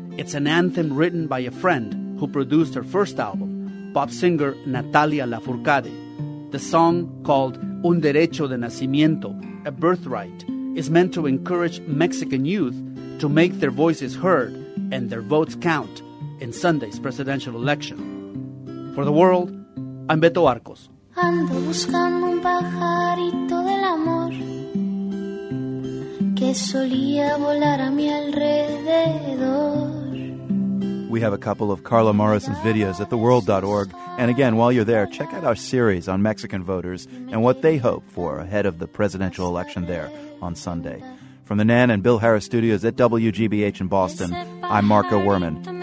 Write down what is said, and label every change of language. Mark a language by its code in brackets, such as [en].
[en] It's an anthem written by a friend who produced her first album, pop singer Natalia Lafourcade. The song, called Un Derecho de Nacimiento, a birthright, is meant to encourage Mexican youth to make their voices heard and their votes count in Sunday's presidential election. For the world, I'm Beto Arcos. [es] Ando buscando un pajarito del amor que solía volar a mi alrededor. [en] We have a couple of Carla Morrison's videos at theworld.org. And again, while you're there, check out our series on Mexican voters and what they hope for ahead of the presidential election there on Sunday. From the Nan and Bill Harris studios at WGBH in Boston, I'm Marco Werman.